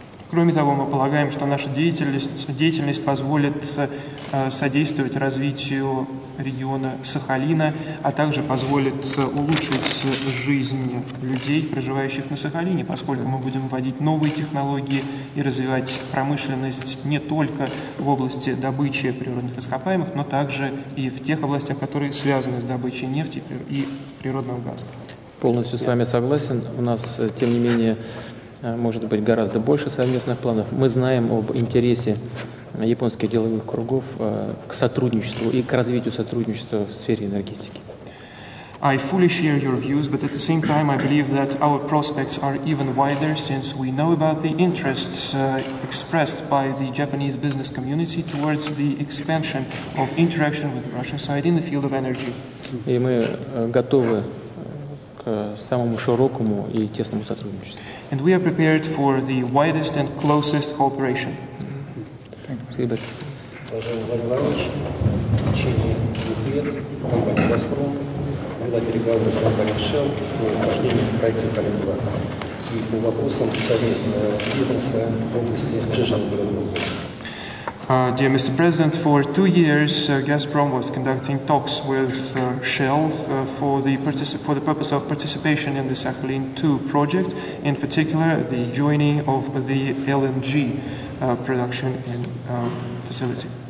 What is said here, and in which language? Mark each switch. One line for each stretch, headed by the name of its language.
Russian: Кроме того, мы полагаем, что наша деятельность позволит содействовать развитию региона Сахалина, а также позволит улучшить жизнь людей, проживающих на Сахалине, поскольку мы будем вводить новые технологии и развивать промышленность не только в области добычи природных ископаемых, но также и в тех областях, которые связаны с добычей нефти и природного газа. Полностью с вами согласен. У нас, тем не менее, может быть, гораздо больше совместных планов. Мы знаем об интересе японских деловых кругов к сотрудничеству и к развитию сотрудничества в сфере энергетики.
English: I fully share your views, but at the same time I believe that our prospects are even wider since we know about the interests expressed by the Japanese business community towards the expansion of interaction with the Russian side in the field of energy.
Russian: И мы готовы к самому широкому и тесному сотрудничеству.
English: And we are prepared for the widest and closest cooperation.
Russian: Уважаемый Владимир Владимирович, в течение 2 лет компания «Газпром» вела переговоры с компанией «Shell» по вхождению проекта «Сахалин-2» и по вопросам совместного бизнеса в области жиженого углерода.
English: Dear Mr. President, for 2 years, Gazprom was conducting talks with Shell for the purpose of participation in the Sakhalin 2 project, in particular the joining of the LNG production and facility.